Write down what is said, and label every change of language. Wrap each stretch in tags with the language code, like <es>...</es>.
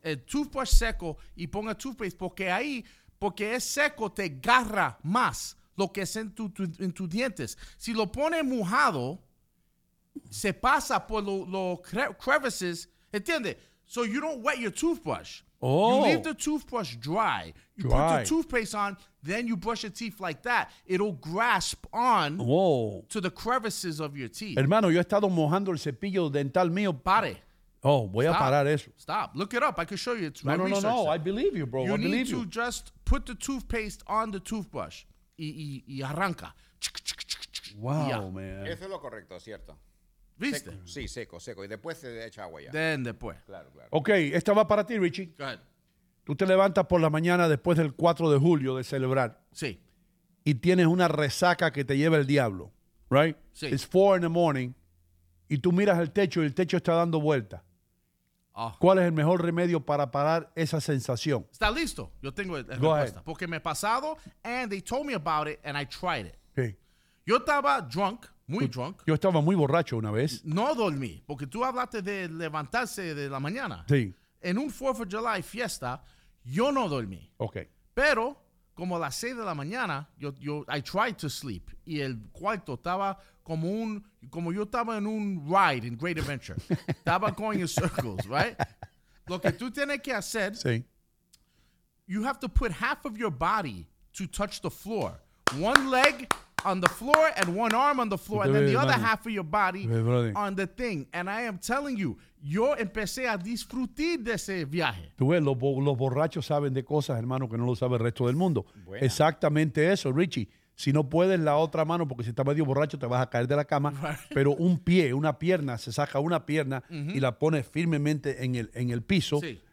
<es>El toothbrush seco y ponga toothpaste porque ahí, porque es seco, te agarra más lo que es en tus dientes. Si lo pones mojado, se pasa por los crevices, ¿entiendes?</es> <en>So you don't wet your toothbrush. Oh. You leave the toothbrush dry. You dry. Put the toothpaste on, then you brush your teeth like that. It'll grasp on to the crevices of your teeth.</en> <es>Hermano, yo he estado mojando el cepillo dental mío. Pare. Oh, voy</es> <en>Stop.</en> <es>A parar eso.</es> <en>Stop. Look it up. I can show you. It's no, no, no, no. I believe you, bro. You I need believe to you. Just put the toothpaste on the toothbrush.</en> <es>Y arranca.</es> <en>Wow, yeah. Man.</en> <es>Eso es lo correcto, cierto. ¿Viste? Seco. Sí, seco, seco. Y después se echa agua ya. Después. Claro, claro. Ok, esta va para ti, Richie.</es> <en>Go ahead.</en> <es>Tú te levantas por la mañana después del 4 de julio de celebrar. Sí. Y tienes una resaca que te lleva el diablo.</es> <en>Right?</en> <es>Sí.</es> <en>It's 4 in the morning.</en> <es>Y tú miras el techo y el techo está dando vuelta. Oh. ¿Cuál es el mejor remedio para parar esa sensación? Está listo. Yo tengo la</es> <en>Go</en> <es>respuesta.</es> <en>Ahead.</en> <es>Porque me he pasado</es> <en>and they told me about it and I tried it.</en> <es>Sí. Yo estaba drunk. Muy drunk. Yo estaba muy borracho una vez. No dormí, porque tú hablaste de levantarse de la mañana. Sí. En un 4th of July fiesta, yo no dormí. Ok. Pero, como a las 6 de la mañana, yo</es> <en>I tried to sleep.</en> <es>Y el cuarto estaba como un, como yo estaba en un ride en Great Adventure. Estaba</es> <en>going in circles, right?</en> <es>Lo que tú tienes que hacer, sí.</es> <en>You have to put half of your body to touch the floor. One leg on the floor and one arm on the floor and then the other half of your body on the thing. And I am telling you,</en> <es>yo empecé a disfrutar de ese viaje. Tú ves, los borrachos saben de cosas, hermano, que no lo sabe el resto del mundo. Buena. Exactamente eso, Richie. Si no puedes, la otra mano, porque si estás medio borracho te vas a caer de la cama. Right. Pero un pie, una pierna, se saca una pierna y la pone firmemente en el piso. Sí.</es>